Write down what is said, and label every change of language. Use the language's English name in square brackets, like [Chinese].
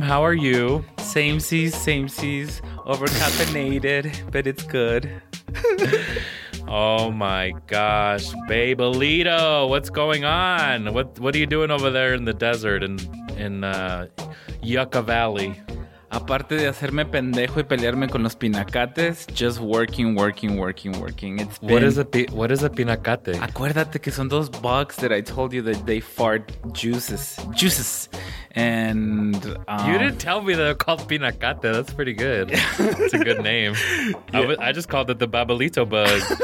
[English] How are you? Same-sies. Overcaffeinated, but it's good. Oh my gosh, Babelito, what's going on? What are you doing over there in the desert in Yucca Valley? [Spanish] Aparte de hacerme pendejo y pelearme con los pinacates, [English] just working. What is a pinacate? [Spanish] Acuérdate que son [English] those bugs that I told you that they fart juices. And you didn't tell me they're called pinacate. That's pretty good. That's a good name. Yeah. I just called it the Babelito bug.